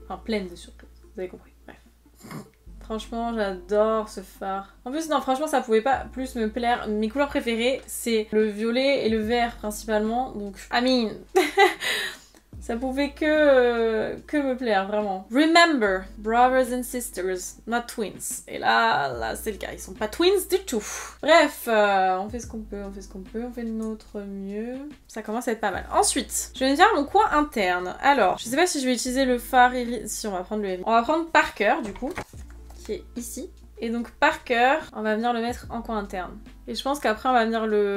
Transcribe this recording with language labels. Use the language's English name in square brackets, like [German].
[French] Enfin, pleine de surprises. Vous avez compris. Bref. Franchement, j'adore ce fard. En plus, non, franchement, ça pouvait pas plus me plaire. Mes couleurs préférées, c'est le violet et le vert, principalement. Donc, [English] I mean... [French] ça pouvait que me plaire, vraiment. [English] Remember, brothers and sisters, not twins. [French] Et là, là, c'est le cas, ils sont pas twins du tout. Bref, on fait ce qu'on peut, on fait ce qu'on peut, on fait notre mieux. Ça commence à être pas mal. Ensuite, je vais venir à mon coin interne. Alors, je sais pas si je vais utiliser le fard iris, si on va prendre le... On va prendre Parker, du coup, qui est ici. Et donc Parker, on va venir le mettre en coin interne. Et je pense qu'après, on va venir